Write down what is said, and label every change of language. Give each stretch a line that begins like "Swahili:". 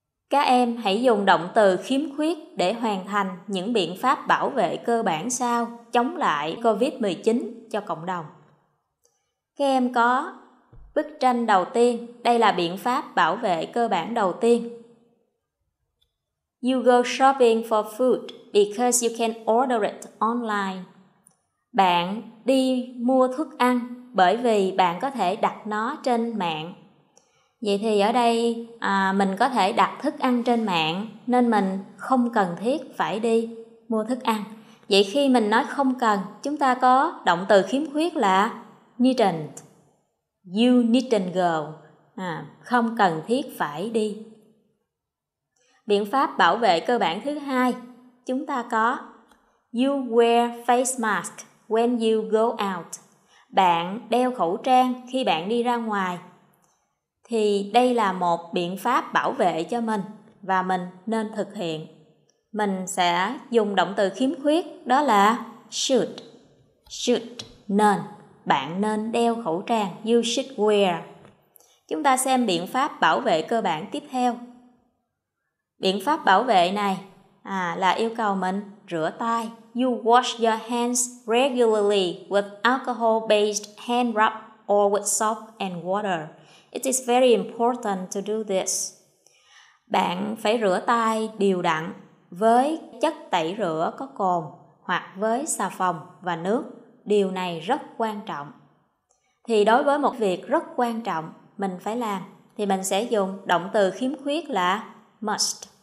Vietnamese: Các em hãy dùng động từ khiếm khuyết để hoàn thành những biện pháp bảo vệ cơ bản sao chống lại COVID-19 cho cộng đồng. Các em có bức tranh đầu tiên, đây là biện pháp bảo vệ cơ bản đầu tiên.
English: You go shopping for food because you can order it online.
Vietnamese: Bạn đi mua thức ăn bởi vì bạn có thể đặt nó trên mạng. Vậy thì ở đây mình có thể đặt thức ăn trên mạng nên mình không cần thiết phải đi mua thức ăn. Vậy khi mình nói không cần, chúng ta có động từ khiếm khuyết là needn't.
English: You needn't go.
Vietnamese: Không cần thiết phải đi. Biện pháp bảo vệ cơ bản thứ hai, chúng ta có
English: you wear face mask when you go out.
Vietnamese: Bạn đeo khẩu trang khi bạn đi ra ngoài. Thì đây là một biện pháp bảo vệ cho mình và mình nên thực hiện. Mình sẽ dùng động từ khiếm khuyết, đó là should. Should, nên. Bạn nên đeo khẩu trang.
English: You should wear.
Vietnamese: Chúng ta xem biện pháp bảo vệ cơ bản tiếp theo. Biện pháp bảo vệ này là yêu cầu mình rửa tay.
English: You wash your hands regularly with alcohol-based hand rub or with soap and water. It is very important to do this.
Vietnamese: Bạn phải rửa tay đều đặn với chất tẩy rửa có cồn hoặc với xà phòng và nước. Điều này rất quan trọng. Thì đối với một việc rất quan trọng mình phải làm, thì mình sẽ dùng động từ khiếm khuyết là must.